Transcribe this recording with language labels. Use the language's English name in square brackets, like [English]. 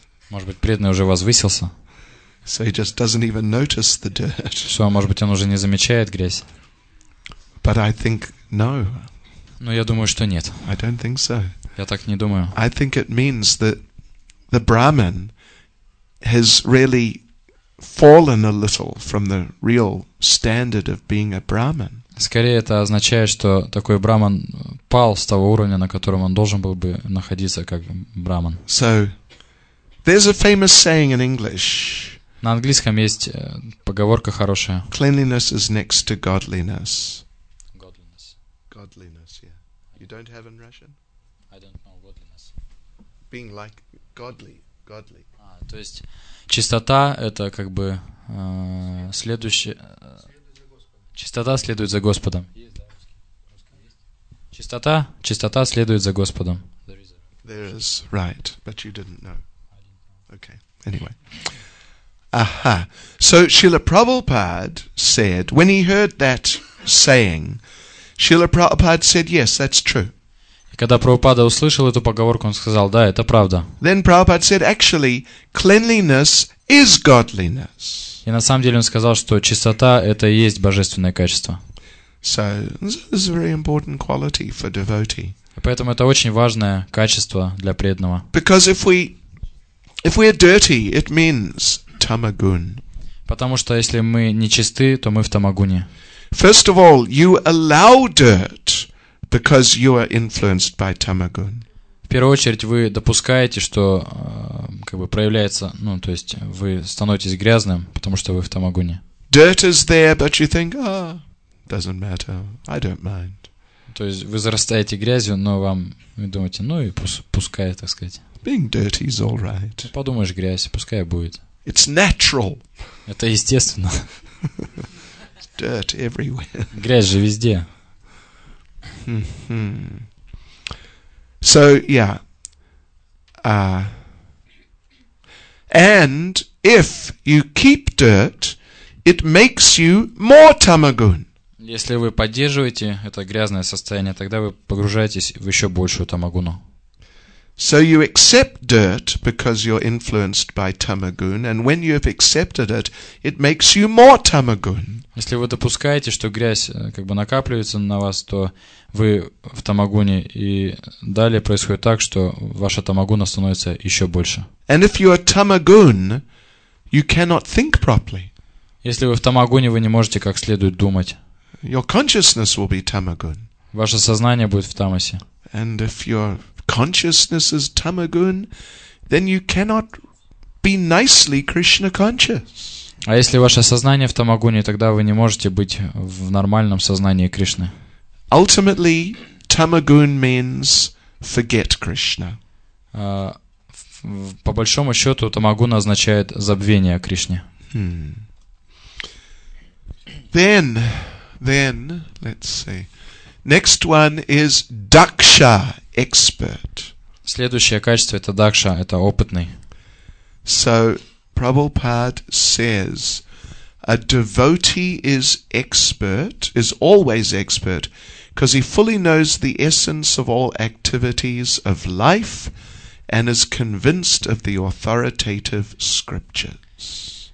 [Russian] Может быть, преданный уже возвысился. [English] So he just doesn't even notice the dirt. [Russian] Что, может быть, он уже не замечает грязь? [English] But I think no. [Russian] Но я думаю, что нет. [English] I don't think so. [Russian] Я так не думаю. [English] I think it means that the Brahmin has really fallen a little from the real standard of being a Brahmin. [Russian] Скорее, это означает, что такой Брахман пал с того уровня, на котором он должен был бы находиться, как Брахман. [English] So, there's a famous saying in English. [Russian] На английском есть поговорка хорошая. [English] Cleanliness is next to godliness. Godliness. Godliness, yeah. You don't have in Russian? I don't know godliness. Being like godly. Godly. [Russian] То есть, чистота — это как бы следующее... Чистота следует за Господом. Чистота следует за Господом. [English] There is, right, but you didn't know. Okay, anyway. Aha. So Srila Prabhupada said, when he heard that saying, Srila Prabhupada said, yes, that's true. [Russian] И когда Прабхупада услышал эту поговорку, он сказал, да, это правда. [English] Then Prabhupada said, actually, cleanliness is godliness. [Russian] И на самом деле он сказал, что чистота — это и есть божественное качество. [English] So, this is a very important quality for devotee. [Russian] Поэтому это очень важное качество для преданного. [English] Because if we are dirty, it means tamagun. [Russian] Потому что если мы нечисты, то мы в тамагуне. [English] First of all, you allow dirt because you are influenced by tamagun. [Russian] В первую очередь, вы допускаете, что как бы проявляется, ну, то есть вы становитесь грязным, потому что вы в тамагуне. [English] Dirt is there, but you think, doesn't matter, I don't mind. [Russian] То есть вы зарастаете грязью, но вы думаете, ну и пускай, так сказать. [English] Being dirty is all right. [Russian] Подумаешь, грязь, пускай будет. [English] It's natural. [Russian] Это естественно. [English] Dirt everywhere. [Russian] Грязь же везде. [English] So, yeah. And if you keep dirt, it makes you more tamagun. [Russian] Если вы поддерживаете это грязное состояние, тогда вы погружаетесь в еще большую тамагуну. [English] So you accept dirt because you're influenced by tamagun, and when you have accepted it, it makes you more tamagun. [Russian] Если вы допускаете, что грязь как бы накапливается на вас, то вы в тамагуне, и далее происходит так, что ваша тамагуна становится еще больше. [English] And if you are tamagun, you cannot think properly. [Russian] Если вы в тамагуне, вы не можете как следует думать. [English] Your consciousness will be tamagun. [Russian] Ваше сознание будет в тамасе. [English] And if your consciousness is tamagun, then you cannot be nicely Krishna conscious. [Russian] А если ваше сознание в тамагуне, тогда вы не можете быть в нормальном сознании Кришны. [English] Ultimately, tamagun means forget Krishna. [Russian] По большому счету, тамагуна означает забвение о Кришне. [English] Then, let's see. Next one is daksha, expert. [Russian] Следующее качество — это дакша, это опытный. [English] So, Prabhupada says, a devotee is expert, is always expert, because he fully knows the essence of all activities of life and is convinced of the authoritative scriptures.